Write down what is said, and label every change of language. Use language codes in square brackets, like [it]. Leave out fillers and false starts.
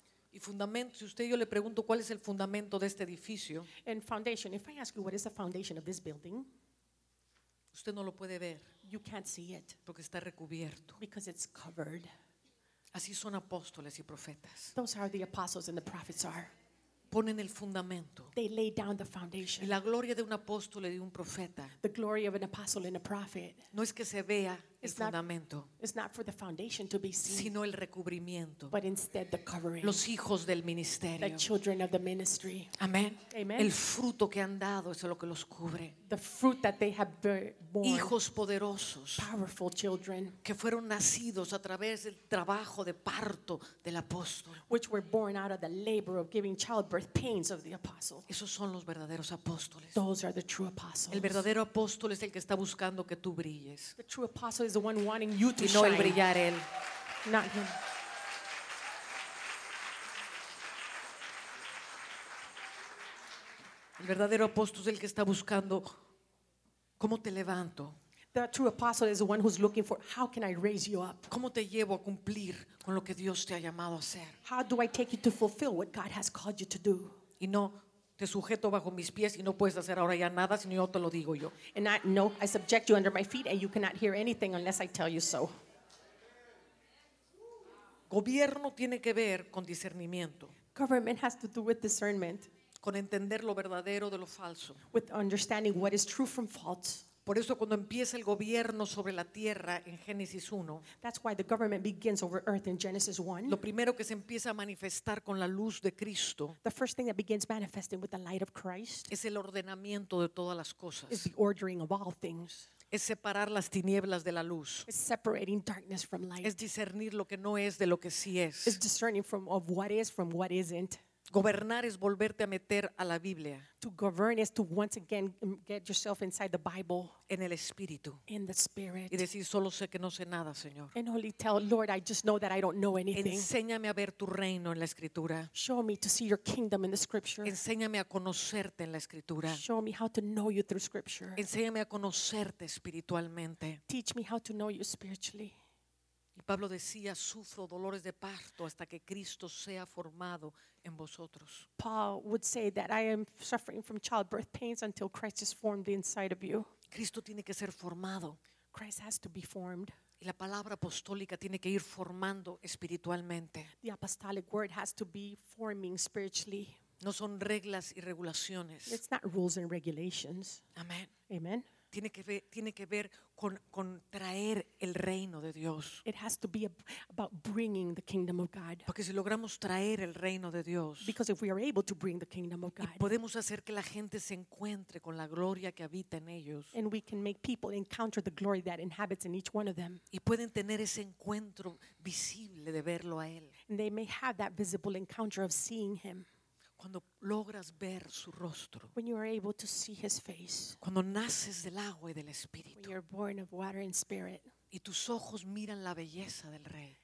[es] Y fundamento, si usted y yo le pregunto cuál es el fundamento de este edificio. [en] And foundation, if I ask you what is the foundation of this building. [es] Usted no lo puede ver. [en] You can't see it. [es] Porque está recubierto. [en] Because it's covered. [es] Así son apóstoles y profetas. [en] Those are the apostles and the prophets are. [es] Ponen el fundamento. [en] They lay down the foundation. [es] Y la gloria de un apóstol y de un profeta. [en] The glory of an apostle and a prophet. [es] No es que se vea el fundamento. [en] It's not for the foundation to be seen. [es] Sino el recubrimiento. [en] But instead the covering. [es] Los hijos del ministerio. [en] The children of the ministry. [es] Amén. [en] Amen. [es] El fruto que han dado es lo que los cubre. [en] The fruit that they have borne. [es] Hijos poderosos. [en] Powerful children. [es] Que fueron nacidos a través del trabajo de parto del apóstol. [en] Which were born out of the labor of giving childbirth pains of the apostle. [es] Esos son los verdaderos apóstoles. [en] Those are the true apostles. [es] El verdadero apóstol es el que está buscando que tú brilles. [en] The true apostle is the one wanting you to [es] y no [en] shine. [es] El brillar él. [en] Not him. [es] El verdadero apóstol es el que está buscando cómo te levanto. [en] The true apostle is the one who's looking for how can I raise you up? [es] ¿Cómo te llevo a cumplir con lo que Dios te ha llamado a hacer? [en] How do I take you to fulfill what God has called you to do? [es] Y no te sujeto bajo mis pies y no puedes hacer ahora ya nada si no te lo digo yo. [en] And I subject you under my feet and you cannot hear anything unless I tell you so. [es] Gobierno tiene que ver con discernimiento. [en] Government has to do with discernment. [es] Con entender lo verdadero de lo falso. [en] With understanding what is true from false. [es] Por eso cuando empieza el gobierno sobre la tierra en Génesis 1, [en] that's why the government begins over earth in Genesis 1. [es] Lo primero que se empieza a manifestar con la luz de Cristo, [en] the first thing that begins manifesting with the light of Christ, [es] es el ordenamiento de todas las cosas. [en] Is the ordering of all things. [es] Es separar las tinieblas de la luz. [en] Is separating darkness from light. [es] Es discernir lo que no es de lo que sí es. [en] Is discerning from of what is from what isn't. [es] Gobernar es volverte a meter a la Biblia. [en] To govern is to once again get yourself inside the Bible. [es] En el Espíritu. [en] In the Spirit. [es] Y decir, solo sé que no sé nada, Señor. [en] And only tell, Lord, I just know that I don't know anything. [es] Enséñame a ver tu reino en la Escritura. [en] Show me to see your kingdom in the Scripture. [es] Enséñame a conocerte en la Escritura. [en] Show me how to know you through Scripture. [es] Enséñame a conocerte espiritualmente. [en] Teach me how to know you spiritually. [es] Y Pablo decía, sufro dolores de parto hasta que Cristo sea formado en vosotros. [en] Paul would say that I am suffering from childbirth pains until Christ is formed inside of you. [es] Cristo tiene que ser formado. [en] Christ has to be formed. [es] Y la palabra apostólica tiene que ir formando espiritualmente. [en] The apostolic word has to be forming spiritually. [es] No son reglas y regulaciones. [en] It's not rules and regulations. Amen. Amen. [es] Tiene que ver con traer el reino de Dios. [en] It has to be about bringing the kingdom of God. [es] Porque si logramos traer el reino de Dios, [en] because if we are able to bring the kingdom of God, [es] y podemos hacer que la gente se encuentre con la gloria que habita en ellos, [en] and we can make people encounter the glory that inhabits in each one of them, [es] y pueden tener ese encuentro visible de verlo a él, [en] and they may have that visible encounter of seeing him. [es] Cuando logras ver su rostro. [en] When you are able to see his face. [es] Cuando naces del agua y del espíritu. [en] When you are born of water and spirit. [es] Y tus ojos miran la belleza del rey.